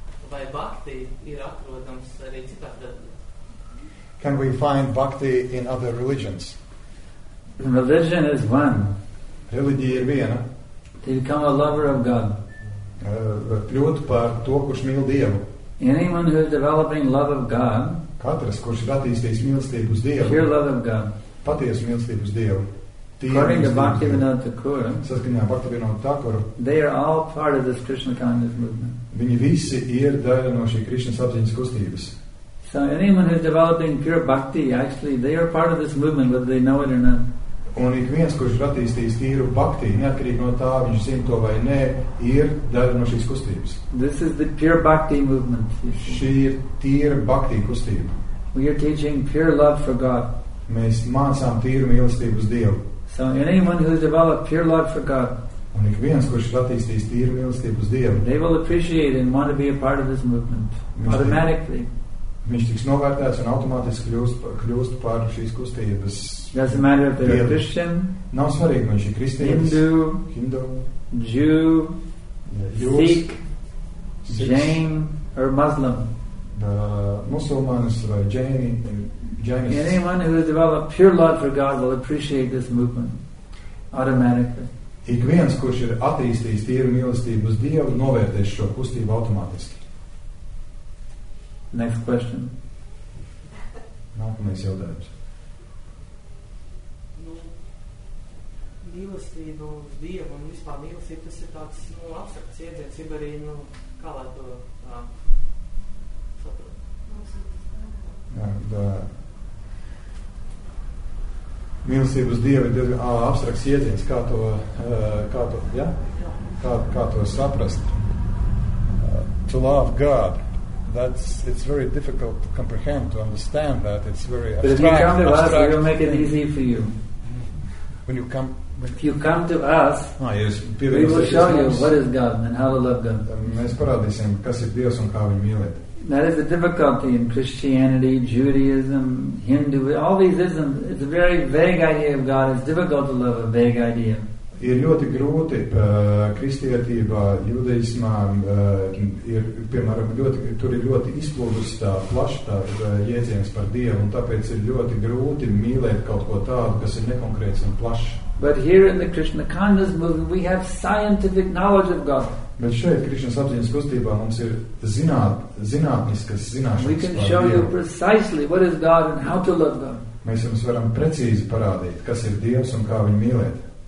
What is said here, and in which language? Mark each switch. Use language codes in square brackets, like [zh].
[lv] Vai bhakti ir atrodams arī citās religijās? [en] Can we find bhakti in other religions? Religion is one. [lv] Religija ir viena. [en] To become a lover of God. [lv] Kļūt par to, kurš mīl Dievu. [en] Anyone who is developing love of God. [lv] Katrs, kurš ir attīstījis mīlestību uz Dievu. [en] Pure love of God. [lv] Patiesu mīlestību uz Dievu. [en] According to Bhaktivinoda Thakur. [lv] Saskaņā Bhaktivinoda Thakura. [en] They are all part of this Krishna consciousness movement. [lv] Viņi visi ir daļa no šī Krishna sabziņas kustības. [en] So anyone who is developing pure bhakti, actually, they are part of this movement, whether they know it or not. [lv] Un ik viens, kurš ir attīstījis tīru bhakti, neatkarīgi no tā, viņš zina to vai nē, ir daļa no šīs kustības. [en] This is the pure bhakti movement. [lv] Šī ir tīra bhakti kustība. [en] We are teaching pure love for God. [lv] Mēs mācām tīru mīlestību uz Dievu. [en] So anyone who has developed pure love for God, [lv] un ik viens, kurš ir attīstījis tīru mīlestību uz Dievu, [en] they will appreciate and want to be a part of this movement, automatically. [lv] Viņš tiks novērtēts un automātiski kļūst par šīs kustības. [en] Doesn't matter if they're a Christian. [lv] Nav svarīgi, viņš ir kristietis. [en] Hindu. Jew. [lv] Jūs, [en] Sikh. Jain. Or Muslim. [lv] Musulmanis vai Jainis. [en] Anyone who has developed pure love for God will appreciate this movement. Automatically. [lv] Ik viens, kurš ir attīstījis tīru mīlestību uz Dievu, novērtēs šo kustību automātiski. [en] Next question. [lv] Nākamais jautājums. Nu, mīlestība uz Dievu un vispār mīlestība, tas ir tāds, nu, abstrakts iedzīts, ir arī, nu, kā lai to saprot? Mīlestība uz Dievu ir abstrakts iedzīts, kā to saprast? [en] To love God. That's it's very difficult to comprehend, to understand that. It's very abstract. But if you come to us, we will make it easy for you. When if you come to us, we will show you what is God and how to love God. [lv] Mēs parādīsim, kas ir Dievs un kā viņu mīlēt. [en] That is the difficulty in Christianity, Judaism, Hinduism, all these isms. It's a very vague idea of God. It's difficult to love a vague idea. [lv] Ir ļoti grūti kristietībā, judaismā, ir, piemēram, ļoti, tur ir ļoti izplūdusi tā plaša tā jēdziens par Dievu, un tāpēc ir ļoti grūti mīlēt kaut ko tādu, kas ir nekonkrēts un plašs. [en] But here in the Krishna consciousness movement we have scientific knowledge of God. [lv] Bet šeit Krishna sabziņas kustībā mums ir zinātniskas zināšanas. [en] We can show you precisely what is God and how to love God. [lv] Mēs jums varam precīzi parādīt, kas ir Dievs un kā viņu mīlēt.